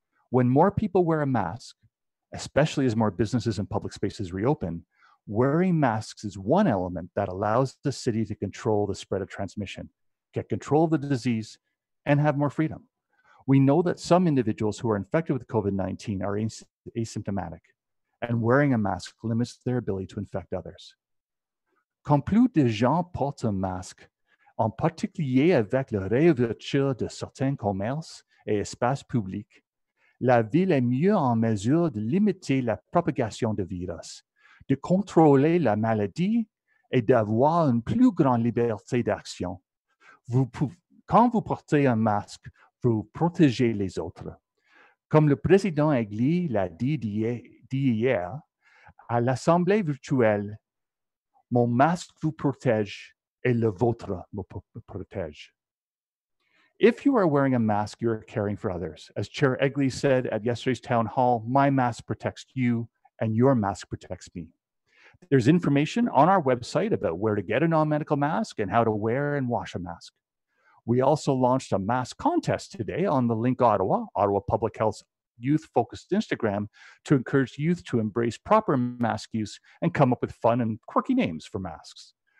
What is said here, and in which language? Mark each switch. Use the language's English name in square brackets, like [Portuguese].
[English] When more people wear a mask, especially as more businesses and public spaces reopen, wearing masks is one element that allows the city to control the spread of transmission, get control of the disease, and have more freedom. We know that some individuals who are infected with COVID-19 are asymptomatic, and wearing a mask limits their ability to infect others. [French] Quand plus de gens portent un masque, en particulier avec la réouverture de certains commerces et espaces publics, la ville est mieux en mesure de limiter la propagation du virus, de contrôler la maladie et d'avoir une plus grande liberté d'action. Quand vous portez un masque, vous protégez les autres. Comme le président Aigli l'a dit hier à l'Assemblée virtuelle, mon masque vous protège et le vôtre me protège. [English] If you are wearing a mask, you're caring for others. As Chair Aigli said at yesterday's town hall, my mask protects you and your mask protects me. There's information on our website about where to get a non-medical mask and how to wear and wash a mask. We also launched a mask contest today on the Link Ottawa, Ottawa Public Health's youth-focused Instagram, to encourage youth to embrace proper mask use and come up with fun and quirky names for masks.